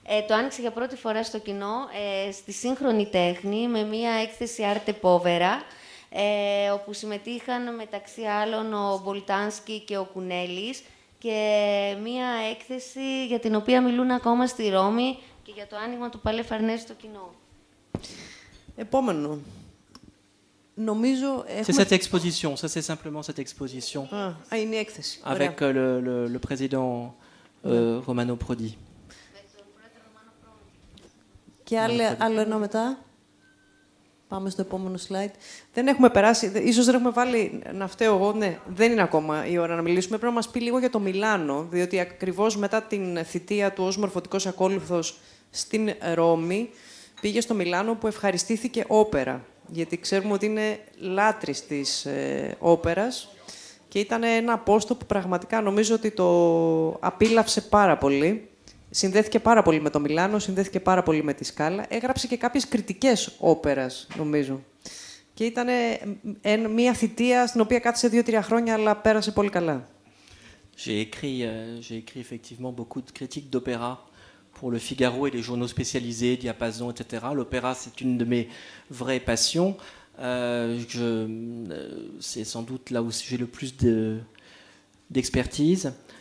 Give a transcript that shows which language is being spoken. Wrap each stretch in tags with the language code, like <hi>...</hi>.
<el>Το άνοιξε για πρώτη φορά στο κοινό, στη σύγχρονη τέχνη, με μία έκθεση Arte Povera, όπου συμμετείχαν μεταξύ άλλων ο Μπολτάνσκι και ο Κουνέλης, και μία έκθεση για την οποία μιλούν ακόμα στη Ρώμη, και για το άνοιγμα του Παλέ Φαρνέζι στο κοινό. Επόμενο. Νομίζω</el> <fr>C'est cette exposition, ça c'est simplement cette exposition.</fr> <el>Α, είναι η έκθεση.</el> <fr>Avec le président Romano Prodi.</fr> <el>Και άλλο ένα μετά. Πάμε στο επόμενο slide. Δεν έχουμε περάσει, ίσως δεν έχουμε βάλει, να φταίω εγώ, ναι, δεν είναι ακόμα η ώρα να μιλήσουμε. Πρέπει να μας πει λίγο για το Μιλάνο, διότι ακριβώς μετά την θητεία του ως μορφωτικός ακόλουθος στην Ρώμη, πήγε στο Μιλάνο που ευχαριστήθηκε όπερα, γιατί ξέρουμε ότι είναι λάτρης της όπερας και ήταν ένα πόστο που πραγματικά νομίζω ότι το απείλαυσε πάρα πολύ. Συνδέθηκε πάρα πολύ με το Μιλάνο, συνδέθηκε πάρα πολύ με τη Σκάλα. Έγραψε και κάποιες κριτικές όπερας, νομίζω. Και ήταν μια θητεία στην οποία κάθισε 2-3 χρόνια, αλλά πέρασε πολύ καλά.</el> <fr>J'ai écrit effectivement beaucoup de critiques d'opéra pour le Figaro et les journaux spécialisés, Diapason, etc. L'opéra, c'est une de mes vraies passions. C'est sans doute là où j'ai le plus d'expertise.</fr>